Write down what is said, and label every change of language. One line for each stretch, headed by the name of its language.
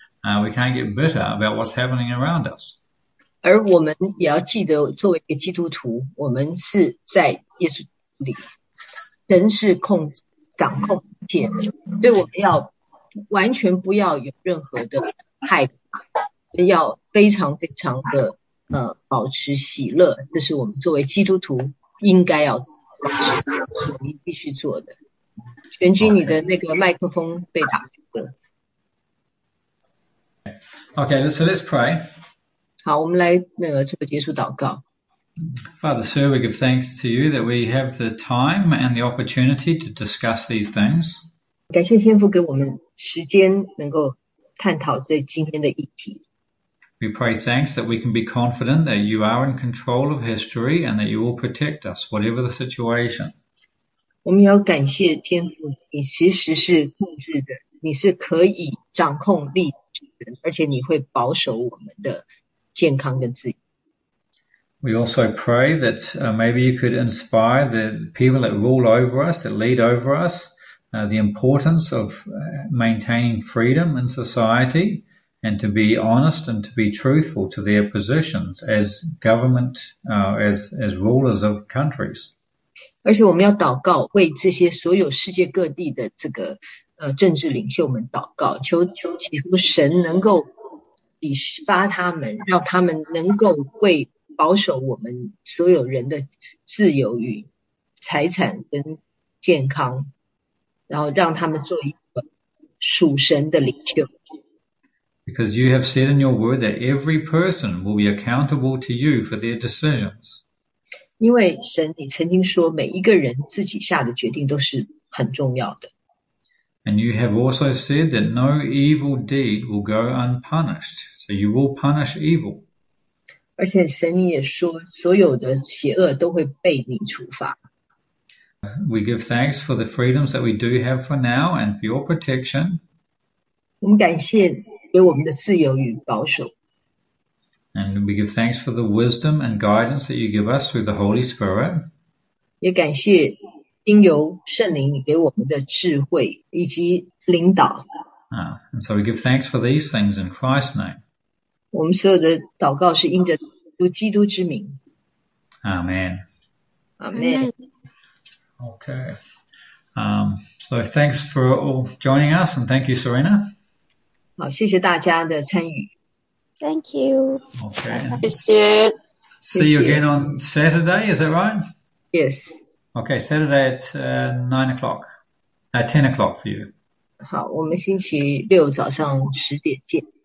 English: We can't get bitter about what's happening around us.
Chinese: 而我们也要记得，作为一个基督徒，我们是在耶稣里，人是掌控一切，所以我们要完全不要有任何的害怕，要非常非常的保持喜乐，这是我们作为基督徒应该要所必须做的。玄君，你的那个麦克风被打了。
English: Okay, so let's pray.
Chinese: 好，我们来做结束祷告。
English: Father, sir, we give thanks to you that we have the time and the opportunity to discuss these things.
Chinese: 感谢天父给我们时间，能够探讨这今天的议题。
English: We pray thanks that we can be confident that you are in control of history and that you will protect us, whatever the situation.
Chinese: 我们要感谢天父，你其实是控制的，你是可以掌控力的，而且你会保守我们的健康跟自由。
English: We also pray that maybe you could inspire the people that rule over us, that lead over us, the importance of maintaining freedom in society and to be honest and to be truthful to their positions as government, as rulers of countries.
Chinese: 而且我们要祷告，为这些所有世界各地的这个政治领袖们祷告，求神能够启发他们，让他们能够为保守我们所有人的自由与财产跟健康，然后让他们做一个属神的领袖。
English: Because you have said in your word that every person will be accountable to you for their decisions.
Chinese: 因为神，你曾经说，每一个人自己下的决定都是很重要的。
English: And you have also said that no evil deed will go unpunished, so you will punish evil.
Chinese: 而且神你也说，所有的邪恶都会被你处罚。
English: We give thanks for the freedoms that we do have for now and for your protection.
Chinese: 我们感谢给我们的自由与保守。
English: And we give thanks for the wisdom and guidance that you give us through the Holy Spirit.
Chinese: 也感谢经由圣灵你给我们的智慧以及领导。
English: And so we give thanks for these things in Christ's name.
Chinese: 我们所有的祷告是因着基督之名。
English: Amen. Amen. Okay. So thanks for all joining us, and thank you, Serena.
Chinese: 好，谢谢大家的参与。
English: Thank you. Okay. Appreciate. See you again on Saturday, is that right? Yes. Okay, Saturday at 9 o'clock, at 10 o'clock for you.
Chinese: 好，我们星期六早上10点见。